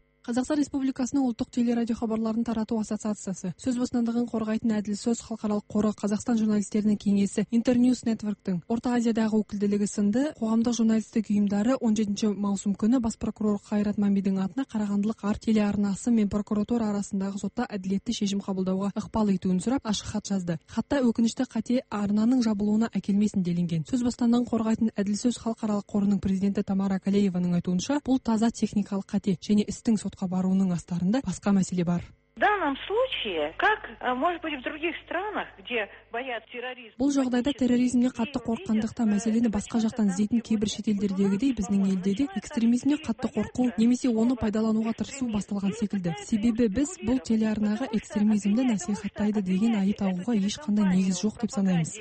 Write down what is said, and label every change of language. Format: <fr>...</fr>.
<kk>Қазақстан Республикасының ұлттық телерадио хабарларын тарату ассоциациясы, сөз бостандығын қорғайтын әділ сөз халықаралық қоры, Қазақстан журналистерінің кеңесі, Интерньюс Нетворктің Орта Азиядағы өкілдігі сынды қоғамдық журналистік ұйымдары 17 маусым күні бас прокурор Қайрат Мамбидің атына Қарағандылық арт телеарнасы мен прокуратура арасындағы сотта әділетті шешім қабылдауға ықпал етуін сұрап ашық хат жазды. Хатта өкінішті қате арнаның жабылуына әкелмесін делінген. Сөз бостандығын қорғайтын әділ сөз халықаралық қорының президенті Тамара Калееваның айтуынша, бұл таза техникалық қате және істің сотқа баруының астарында басқа мәселе бар.</kk> <ru>В данном случае, как, может быть, в других странах, где боятся терроризма.</ru> <kk>Бұл жағдайда терроризмге қатты қорққандықта мәселені басқа жақтан іздейтін кейбір шетелдердегідей біздің елде де экстремизмге қатты қорқу немесе оны пайдалануға тырысу басталған секілді. Себебі біз бұл телеарнаға экстремизмді насихаттайды деген айып тағуға ешқандай негіз жоқ деп санаймыз.</kk>